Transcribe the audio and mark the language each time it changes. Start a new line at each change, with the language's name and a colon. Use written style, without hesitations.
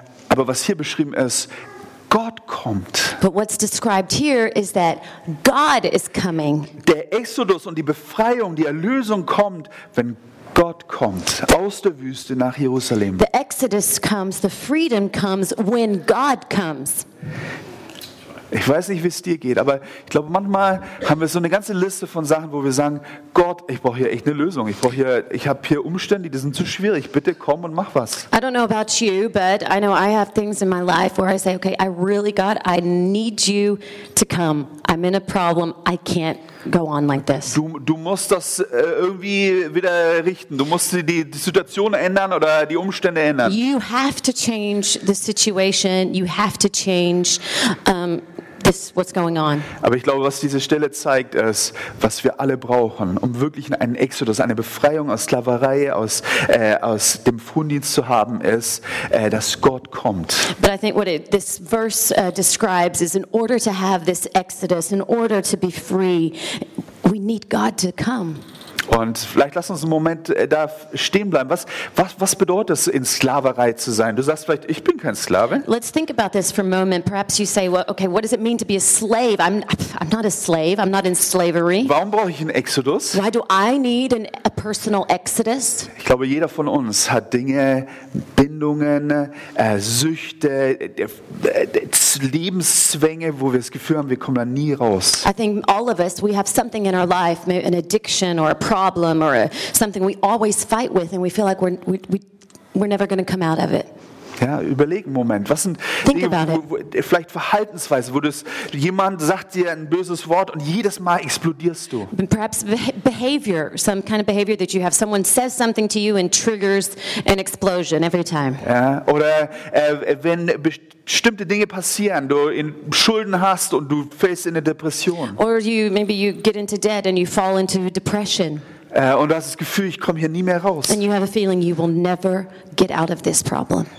German: Aber was hier beschrieben ist, Gott kommt.
English: But what's described here is that God is coming.
German: Der Exodus und die Befreiung, die Erlösung kommt, wenn Gott kommt aus der Wüste nach Jerusalem.
English: The Exodus comes, the freedom comes when God comes.
German: Ich weiß nicht, wie es dir geht, aber ich glaube, manchmal haben wir so eine ganze Liste von Sachen, wo wir sagen, Gott, ich brauche hier echt eine Lösung. Ich habe hier Umstände, die sind zu schwierig. Bitte komm und mach was.
English: I don't know about you, but I know I have things in my life where I say, okay, I really, God, I need you to come. I'm in a problem. I can't go on like this.
German: Du musst das irgendwie wieder richten. Du musst die Situation ändern oder die Umstände ändern.
English: You have to change the situation. You have to change this, what's going on.
German: Aber ich glaube, was diese Stelle zeigt, ist, was wir alle brauchen, um wirklich einen Exodus, eine Befreiung aus Sklaverei, aus dem Frondienst zu haben, ist, dass Gott kommt.
English: But I think what this verse describes is, in order to have this Exodus, in order to be free, we need God to come.
German: Und vielleicht lass uns einen Moment da stehen bleiben. Was bedeutet es, in Sklaverei zu sein? Du sagst vielleicht, ich bin kein Sklave.
English: Let's think about this for a moment. Perhaps you say, well, okay, what does it mean to be a slave? I'm not a slave. I'm not in slavery.
German: Warum brauche ich einen Exodus?
English: Why do I need a personal exodus?
German: Ich glaube, jeder von uns hat Dinge, Bindungen, Süchte, Lebenszwänge, wo wir das Gefühl haben, wir kommen da nie raus.
English: I think all of us, we have something in our life, maybe an addiction or a problem or something we always fight with, and we feel like we're never going to come out of it.
German: Ja, überleg einen Moment. Was sind Dinge, vielleicht Verhaltensweise, wo jemand sagt dir ein böses Wort und jedes Mal explodierst du?
English: Perhaps behavior, some kind of behavior that you have. Someone says something to you and triggers an explosion every time.
German: Ja, oder wenn bestimmte Dinge passieren, du Schulden hast und du fällst in eine Depression.
English: Or maybe you get into debt and you fall into depression.
German: Und du hast das Gefühl, ich komme hier nie mehr raus.
English: And you have a feeling you will never get out of this problem.